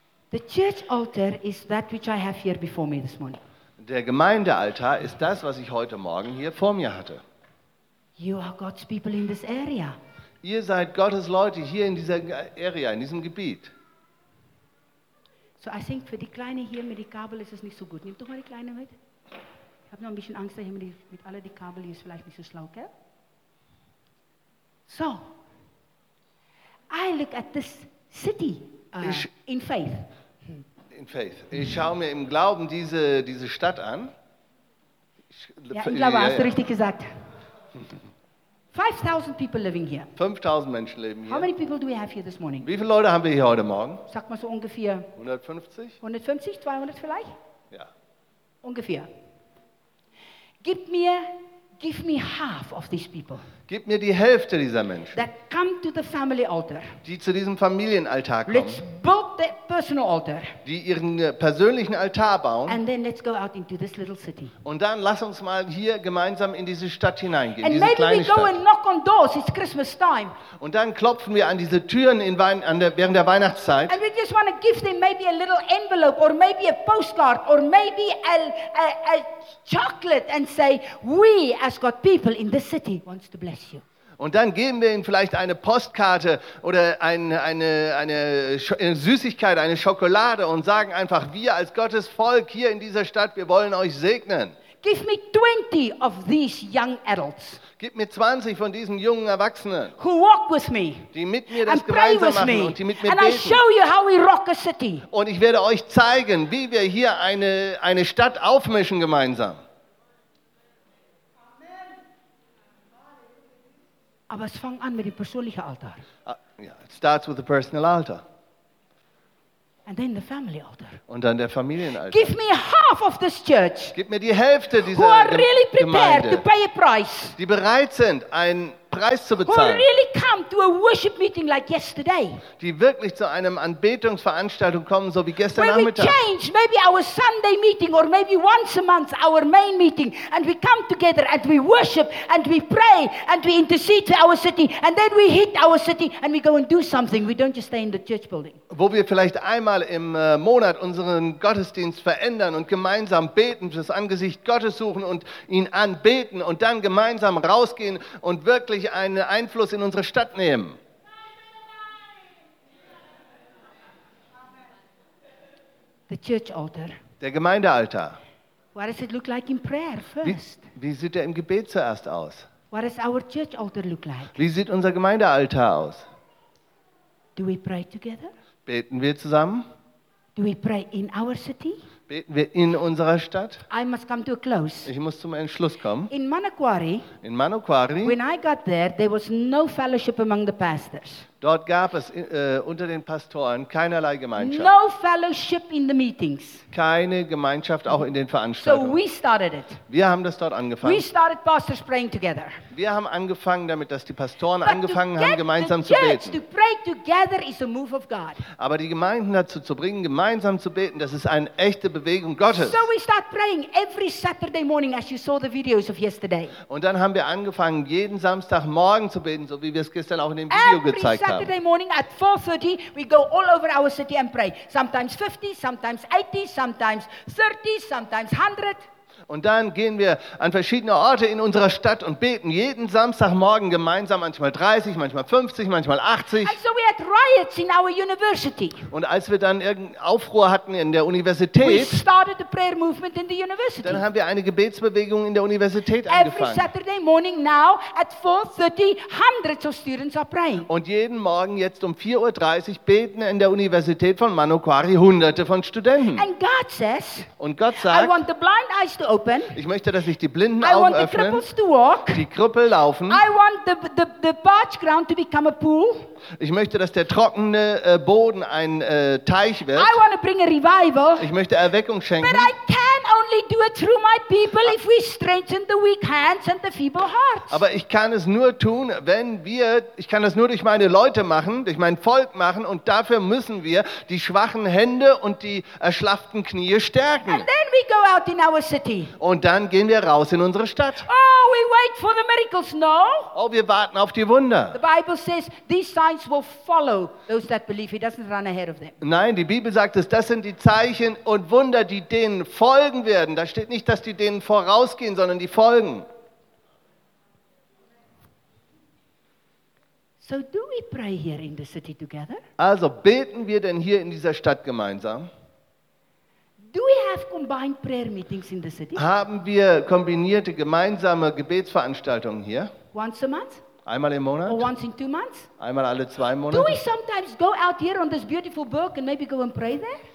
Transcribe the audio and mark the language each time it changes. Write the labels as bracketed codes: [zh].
[en] The church altar is that which I have here before me this morning. [de] Der Gemeindealtar ist das, was ich heute Morgen hier vor mir hatte. [en] You are God's people in this area. [de] Ihr seid Gottes Leute hier in dieser Area, in diesem Gebiet. [en] So I think [de] für die Kleine hier mit den Kabel ist es nicht so gut. Nimm doch mal die Kleine mit. Ich habe noch ein bisschen Angst, dass hier mit all den Kabel hier ist vielleicht nicht so schlau, gell? [en] So, I look at this city in faith. In faith. [de] Ich schaue mir im Glauben diese Stadt an. Ja, im Glauben. Hast du richtig gesagt. [en] 5000 people living here. [de] 5000 Menschen leben hier. [en] How many people do we have here this morning? [de] Wie viele Leute haben wir hier heute Morgen? Sag mal so ungefähr. 150? 150, 200 vielleicht? Ja. Ungefähr. [en] Give me half of these people. [de] Gib mir die Hälfte dieser Menschen. [en] That come to the family altar. [de] Die zu diesem Familienaltar kommen. [en] Let's build the personal altar. [de] Die ihren persönlichen Altar bauen. [en] And then let's go out into this little city. [de] Und dann lass uns mal hier gemeinsam in diese Stadt hineingehen, [en] and [de] diese kleine Stadt. [en] And maybe we go and knock on doors. It's Christmas time. [de] Und dann klopfen wir an diese Türen während der Weihnachtszeit. [en] And we just want to give them maybe a little envelope or maybe a postcard or maybe a chocolate and say, we as God people in this city wants to bless you. [de] Und dann geben wir ihnen vielleicht eine Postkarte oder eine Süßigkeit, eine Schokolade und sagen einfach, wir als Gottes Volk hier in dieser Stadt, wir wollen euch segnen. [en] Give me 20 of these young adults. [de] Gib mir 20 von diesen jungen Erwachsenen. [en] Who walk with me. [de] Die mit mir das gemeinsam machen und die mit mir [en] and [de] beten. [en] And I show you how we rock a city. [de] Und ich werde euch zeigen, wie wir hier eine Stadt aufmischen gemeinsam. Aber es fängt an mit dem persönlichen Altar. [en] It starts with the personal altar. And then the family altar. [de] Und dann der Familienaltar. [en] Give me half of this church. [de] Gib mir die Hälfte dieser [en] who are really prepared [de] Gemeinde, [en] to pay a price. [de] Die bereit sind, Preis zu bezahlen. [en] Really come to a worship meeting like yesterday. [de] Die wirklich zu einem Anbetungsveranstaltung kommen, so wie gestern Nachmittag. [en] Where we change maybe our Sunday meeting or maybe once a month our main meeting and we come together and we worship and we pray and we intercede for our city and then we hit our city and we go and do something. We don't just stay in the church building. [de] Wo wir vielleicht einmal im Monat unseren Gottesdienst verändern und gemeinsam beten, das Angesicht Gottes suchen und ihn anbeten und dann gemeinsam rausgehen und wirklich einen Einfluss in unsere Stadt nehmen. [en] The church altar. [de] Der Gemeindealtar. [en] What does it look like in prayer first? [de] Wie sieht er im Gebet zuerst aus? [en] What does our church altar look like? [de] Wie sieht unser Gemeindealtar aus? [en] Do we pray together? [de] Beten wir zusammen? [en] Do we pray in our city? [de] Beten wir in unserer Stadt? [en] I must come to a close. [de] Ich muss zum Entschluss kommen. [en] In Manokwari. [de] In Manokwari. [en] When I got there, there was no fellowship among the pastors. [de] Dort gab es unter den Pastoren keinerlei Gemeinschaft. [en] No fellowship in the meetings. [de] Keine Gemeinschaft auch in den Veranstaltungen. [en] So we started it. [de] Wir haben das dort angefangen. [en] We started pastors praying together. [de] Wir haben angefangen damit, dass die Pastoren [en] But [de] angefangen haben, gemeinsam [en] the church [de] zu beten. [en] To pray together is a move of God. [de] Aber die Gemeinden dazu zu bringen, gemeinsam zu beten, das ist eine echte Bewegung Gottes. [en] So we start praying every Saturday morning, as you saw the videos of yesterday. [de] Und dann haben wir angefangen, jeden Samstagmorgen zu beten, so wie wir es gestern auch in dem Video gezeigt haben. [en] Saturday morning at 4:30 we go all over our city and pray. Sometimes 50, sometimes 80, sometimes 30, sometimes 100. [de] Und dann gehen wir an verschiedene Orte in unserer Stadt und beten jeden Samstagmorgen gemeinsam, manchmal 30, manchmal 50, manchmal 80. [en] And so we had riots in our university. [de] Und als wir dann irgendeinen Aufruhr hatten in der Universität, [en] we started the prayer movement in the university. [de] Dann haben wir eine Gebetsbewegung in der Universität [en] Every [de] angefangen. [en] Every Saturday morning now at 4:30 hundreds of students are praying. [de] Und jeden Morgen jetzt um 4:30 Uhr beten in der Universität von Manokwari hunderte von Studenten. [en] And God says, [de] und Gott sagt, [en] I want the blind eyes to open. [de] Ich möchte, dass sich die blinden Augen öffnen. Die Krüppel laufen. [en] I want the parched ground to become a pool. [de] Ich möchte, dass der trockene Boden ein Teich wird. [en] I want to bring a revival. [de] Ich möchte Erweckung schenken. [en] But I can only do it through my people if we strengthen the weak hands and the feeble hearts. [de] Aber ich kann es nur tun, wenn wir, ich kann das nur durch meine Leute machen, durch mein Volk machen und dafür müssen wir die schwachen Hände und die erschlafften Knie stärken. [en] And then we go out in our city. [de] Und dann gehen wir raus in unsere Stadt. [en] Oh, we wait for the miracles. No. [de] Oh, wir warten auf die Wunder. [en] The Bible says these signs will follow those that believe. He doesn't run ahead of them. [de] Nein, die Bibel sagt es, das sind die Zeichen und Wunder, die denen folgen werden. Da steht nicht, dass die denen vorausgehen, sondern die folgen. [en] So do we pray here in the city together? [de] Also beten wir denn hier in dieser Stadt gemeinsam? [en] Do we have combined prayer meetings in the city? [de] Haben wir kombinierte gemeinsame Gebetsveranstaltungen hier? [en] Once a month? [de] Einmal im Monat? [en] Or once in 2 months? [de] Einmal alle 2 Monate? [en] Do we sometimes go out here on this beautiful burg and maybe go and pray there?